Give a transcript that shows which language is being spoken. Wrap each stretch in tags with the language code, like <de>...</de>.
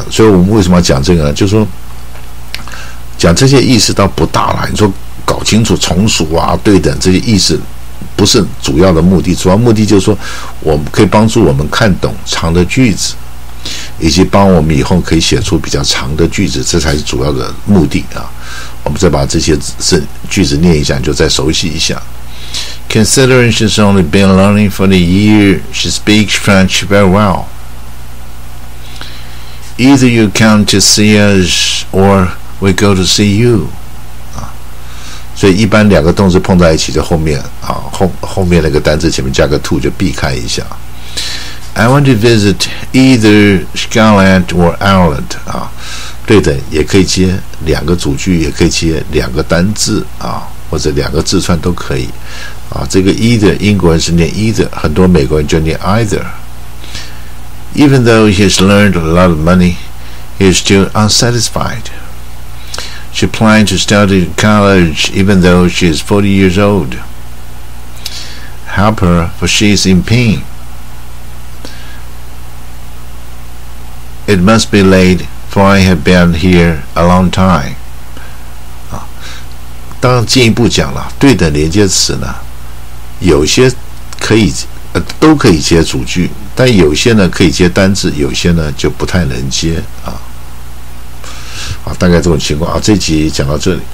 <zh>所以我们为什么要讲这个呢？就是说讲这些意思倒不大了，你说搞清楚从属啊、对等这些意思。不是主要的目的，主要目的就是说我们可以帮助我们看懂长的句子，以及帮我们以后可以写出比较长的句子，这才是主要的目的啊。我们再把这些句子念一下，就再熟悉一下。</zh> <en>Considering she's only been learning for a year, she speaks French very well. Either you come to see us or we go to see you.</en> <zh>所以一般两个动词碰在一起，就后面啊后面那个单词前面加个 to 就避开一下。</zh> <en>I want to visit either Scotland or Ireland</en> <zh>啊，对的，也可以接两个主句，也可以接两个单字啊。或者两个字串都可以啊。这个 either 英国人是念 either， 很多美国人就念 either。</zh> <en>Even though he has learned a lot of money, he is still unsatisfied. She planned to study college even though she is 40 years old. Help her, for she is in painIt must be late, for I have been here a long time.</en> <zh>啊，当然进一步讲了，对等连接词呢，有些可以，都可以接主句，但有些呢可以接单字，有些呢就不太能接啊。啊，大概这种情况啊，这集讲到这里。</zh>